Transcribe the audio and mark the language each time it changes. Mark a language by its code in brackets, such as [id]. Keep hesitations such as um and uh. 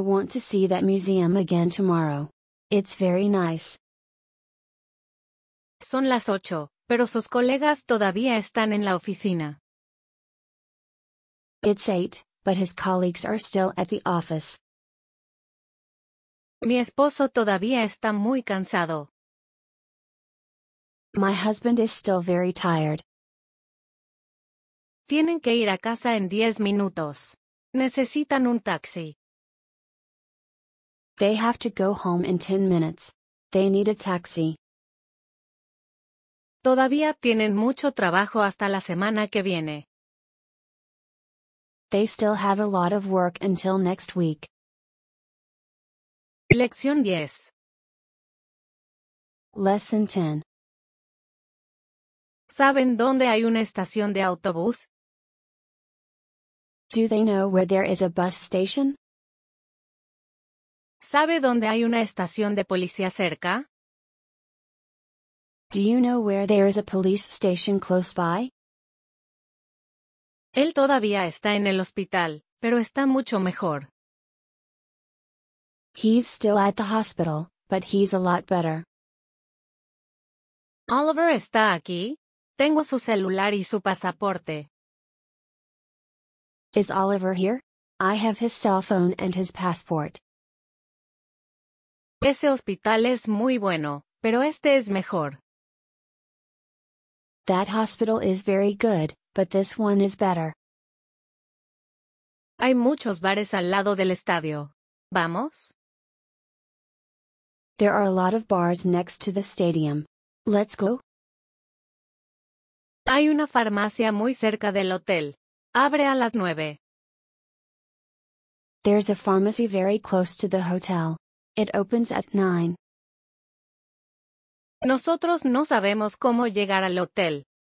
[en] want to see that museum again tomorrow. It's very nice. [es] Son las ocho, pero sus colegas todavía están en la oficina. [en] It's eight, but his colleagues are still at the office. [es] Mi esposo todavía está muy cansado. [en] My husband is still very tired. [es] Tienen que ir a casa en diez minutos. Necesitan un taxi. [en] They have to go home in ten minutes. They need a taxi. [es] Todavía tienen mucho trabajo hasta la semana que viene. [en] They still have a lot of work until next week. [es] Lección 10. [en] Lesson 10. [es] ¿Saben dónde hay una estación de autobús? [en] Do they know where there is a bus station? [es] ¿Sabe dónde hay una estación de policía cerca? [en] Do you know where there is a police station close by? [es] Él todavía está en el hospital, pero está mucho mejor. [en] He's still at the hospital, but he's a lot better. [es] Oliver está aquí. Tengo su celular y su pasaporte. [en] Is Oliver here? I have his cell phone and his passport. [es] Ese hospital es muy bueno, pero este es mejor. [en] That hospital is very good, but this one is better. [es] Hay muchos bares al lado del estadio. Vamos. [en] There are a lot of bars next to the stadium. Let's go. [es] Hay farmacia muy cerca del hotel. Abre a las nueve. [en] There's a pharmacy very close to the hotel. It opens at nine. [es] Nosotros no sabemos cómo llegar al hotel.